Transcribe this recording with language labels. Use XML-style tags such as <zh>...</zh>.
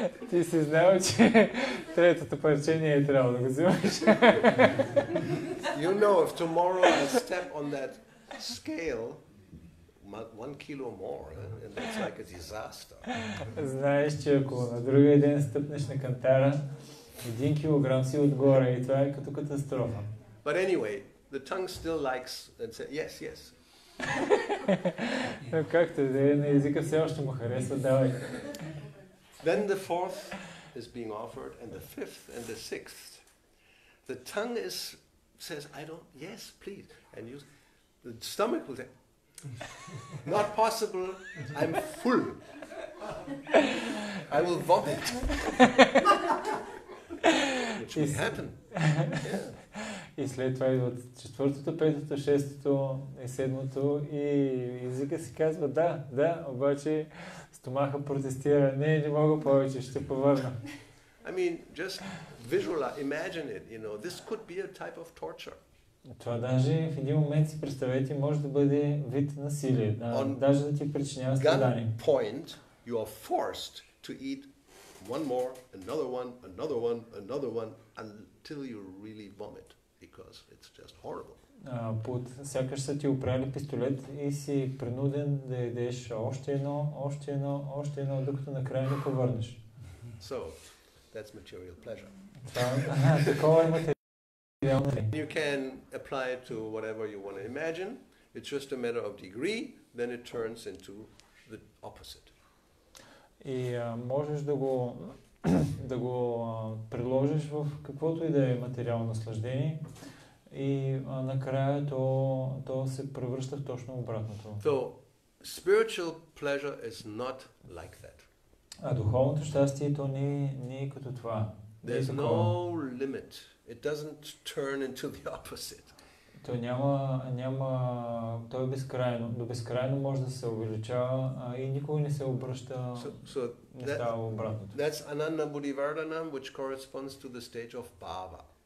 <bg>Ти си знал, че третото парче не е трябвало да го взимаш.</bg> <en>You know, if tomorrow I step on that scale, 1 kilo more, and that's like a disaster.</en> <bg>Знаеш, че ако на другия ден стъпнеш на кантара, 1 kilogram си отгоре и това е като катастрофа.</bg> <en>But anyway, the tongue still likes and says yes, yes.</en> <bg>Но както да е, на езика все още му харесва, давай.</bg> <en>Then the fourth is being offered, and the fifth, and the sixth. The tongue is says, I don't, yes, please. And you, the stomach will say, not possible, I'm full. I will vomit. Which will happen.</en> <bg>И след това идват четвъртото, петото, шестото и седмото и езика си казва да, да, обаче стомаха протестира, не, не мога повече, ще повърна.</bg> <en>I mean, just visualize, imagine it, you know, this could be a type of torture.</en> <bg>Това даже в един момент си представете, може да бъде вид насилие, да, даже да ти причинява страдание.</bg> <en>On point, you are forced to eat one more, another one, another one, another one, until you really vomit. Because it's just horrible.</en> <bg>Под сякаш са ти опряли пистолет и си принуден да ядеш още едно, още едно, още едно, докато накрая не повърнеш.</bg> <en>So, that's material pleasure.</en> <bg>Такова е материалното.</bg> <en>You can apply it to whatever you want to imagine. It's just a matter of degree, then it turns into the opposite.</en> <bg>И можеш да го да го приложиш в каквото и да е материално наслаждение и накрая то се превръща в точно обратното.</bg> <en>So, spiritual pleasure is not like that.</en> <bg>А духовното щастие то не, не е като това.</bg> <en>There's no limit. It doesn't turn into the opposite.</en> <bg>То няма то е безкрайно. До безкрайно може да се увеличава и никога не се обръща.</bg> <en>So, that's Ananda Buddhivardhanam, which corresponds to the stage of Bhava.</en>